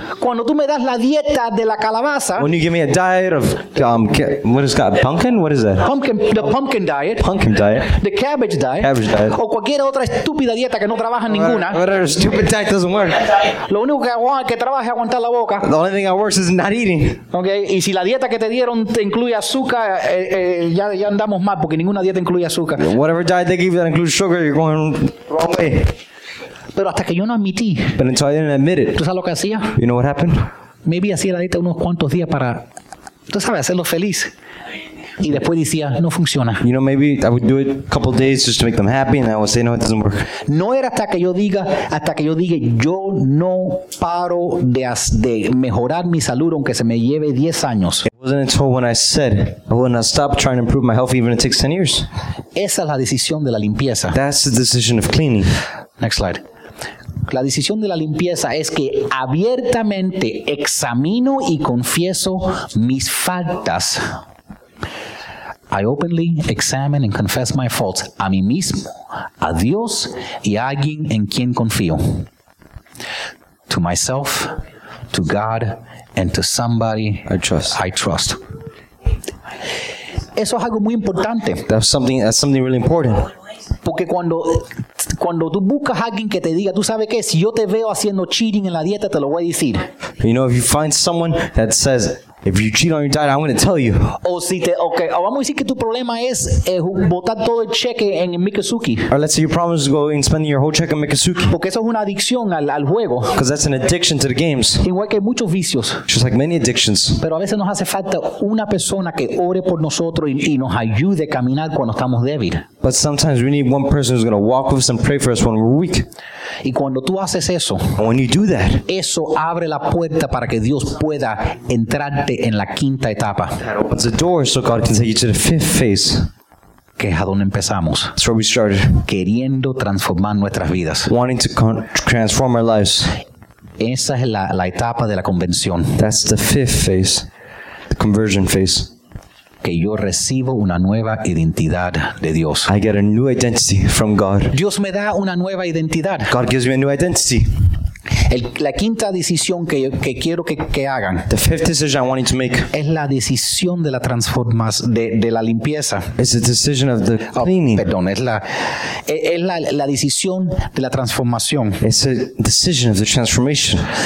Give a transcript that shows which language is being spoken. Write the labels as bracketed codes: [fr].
[es] cuando tú me das la dieta de la calabaza, [en] when you give me a diet of what is that? Pumpkin? What is that? Pumpkin. The pumpkin diet. Pumpkin diet. The cabbage diet. Cabbage diet. [es] O cualquier otra estúpida dieta que no trabaja ninguna. [en] Whatever stupid diet doesn't work. [es] Lo único que trabaja es aguantar la boca. [en] The only thing that works is not eating. Okay. [es] Y si la dieta que te dieron te incluye y azúcar, ya andamos mal porque ninguna dieta incluye azúcar. [en] Whatever diet they give that includes sugar, you're going wrong way. [es] Pero hasta que yo no admití. [en] But until I didn't admit it. [es] ¿Tú sabes lo que hacía? [en] You know what happened? Maybe [es] hacía la dieta unos cuantos días para, tú sabes, hacerlo feliz. Y después decía, no funciona. [en] You know, maybe I would do it a couple days just to make them happy, and I would say, no, it doesn't work. [es] No era hasta que yo diga, yo no paro de mejorar mi salud aunque se me lleve 10 años. [en] It wasn't until when I said, I will not stop trying to improve my health even if it takes 10 years. [es] Esa es la decisión de la limpieza. [en] That's the decision of cleaning. Next slide. [es] La decisión de la limpieza es que abiertamente examino y confieso mis faltas. [en] I openly examine and confess my faults [es] a mí mismo, a Dios y a alguien en quien confío. [en] To myself, to God, and to somebody I trust. [es] Eso es algo muy importante. [en] That's something really important. [es] Porque cuando cuando tú buscas alguien que te diga, tú sabes qué, si yo te veo haciendo cheating en la dieta, te lo voy a decir. [en] You know, if you find someone that says, if you cheat on your diet, I'm going to tell you. [es] O si te, okay, o vamos a decir que tu problema es botar todo el cheque en Mikazuki. [en] Or let's say your problem is going and spending your whole check in Mikazuki. [es] Porque eso es una adicción al juego. [en] Because that's an addiction to the games. [es] Igual que hay muchos vicios. [en] Just like many addictions. [es] Pero a veces nos hace falta una persona que ore por nosotros y nos ayude a caminar cuando estamos débiles. [en] But sometimes we need one person who's going to walk with us and pray for us when we're weak. [es] Y cuando tú haces eso, [en] and when you do that, [es] eso abre la puerta para que Dios pueda entrar en la quinta etapa. [en] That opens the door so God can take you to the fifth phase. [es] Que es a donde empezamos. [en] That's where we started. [es] Queriendo transformar nuestras vidas. [en] Wanting to transform our lives. [es] Esa es la etapa de la conversión. [en] That's the fifth phase. The conversion phase. [es] Que yo recibo una nueva identidad de Dios. [en] I get a new identity from God. [es] Dios me da una nueva identidad. [en] God gives me a new identity. [es] La quinta decisión que quiero que hagan. [en] The fifth decision I want you to make. [es] Es la decisión de la transformación de la limpieza. [en] It's the decision of the cleaning. [es] Oh, perdón, es la decisión de la transformación. [en] It's a decision of the transformation.